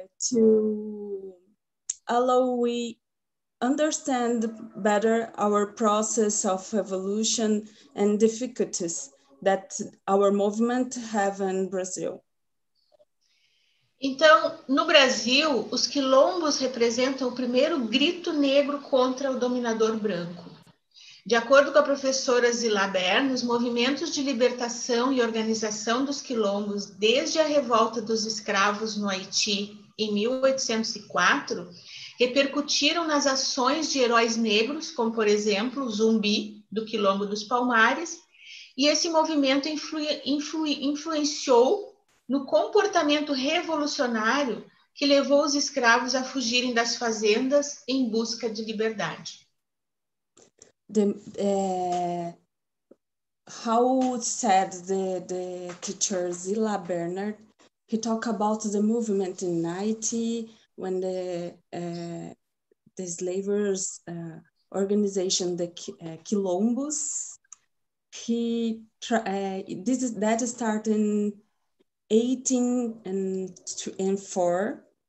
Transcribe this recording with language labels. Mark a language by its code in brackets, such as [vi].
[en] to allow we understand better our process of evolution and difficulties that our movement have in Brazil. [pt] Então, no Brasil, os quilombos representam o primeiro grito negro contra o dominador branco. De acordo com a professora Zilá Bern, os movimentos de libertação e organização dos quilombos desde a revolta dos escravos no Haiti em 1804 repercutiram nas ações de heróis negros, como, por exemplo, o Zumbi, do Quilombo dos Palmares, e esse movimento influenciou no comportamento revolucionário que levou os escravos a fugirem das fazendas em busca de liberdade. [en] The, how said the teacher Zilá Bernard, he talked about the movement in Haiti, when the slavers organization the quilombos, he this is that started in 1804,